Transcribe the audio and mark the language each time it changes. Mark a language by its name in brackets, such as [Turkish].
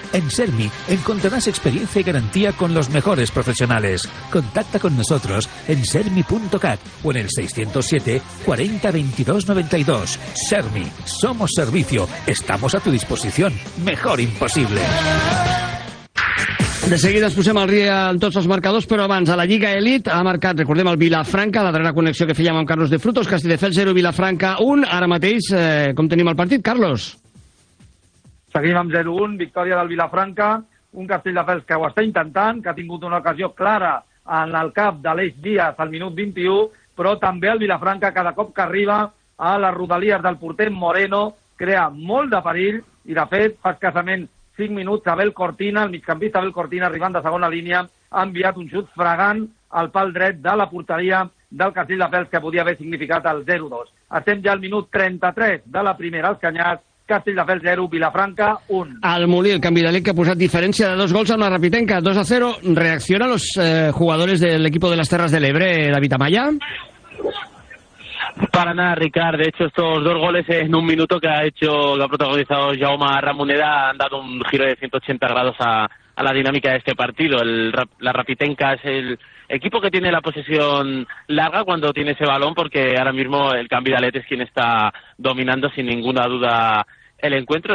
[Spanish] En Sermi encontrarás experiencia y garantía con los mejores profesionales. Contacta con nosotros en sermi.cat o en el 607 40 22 92. Sermi. Somos servicio. Estamos a tu disposición. Mejor imposible. [Catalan] De seguida ens posem al dia en tots els marcadors, però abans a la Lliga Elit ha marcat, recordem, el Vilafranca, la darrera connexió que fèiem amb Carlos de Frutos, Castelldefels 0, Vilafranca 1. Ara mateix, com tenim el partit, Carlos? Seguim amb 0-1, victòria del Vilafranca, un Castelldefels que ho està intentant, que ha tingut una ocasió clara en el cap de l'Eix Díaz al minut 21, però també el Vilafranca, cada cop que arriba a les rodalies del porter Moreno, crea molt de perill i, de fet, fa escassament 5 minuts, Abel Cortina, el migcampista Abel Cortina, arribant de segona línia, ha enviat un xut fregant al pal dret de la porteria del Castelldefels, que podia haver significat el 0-2. Estem ja al minut 33 de la primera, als Canyars, Castelldefels 0, Vilafranca 1. Al Molí, el canvi de l'equip que ha posat diferència de 2 gols amb la Rapitenca, 2-0. Reaccionen els jugadors de l'equip de les Terres de l'Ebre, David Amaya? [Spanish] Para nada, Ricard. De hecho, estos 2 goles en un minuto que ha protagonizado Jaume Ramoneda han dado un giro de 180 grados a la dinámica de este partido. La Rapitenca es el equipo que tiene la posesión larga cuando tiene ese balón, porque ahora mismo el Cambi Dalet es quien está dominando sin ninguna duda el encuentro.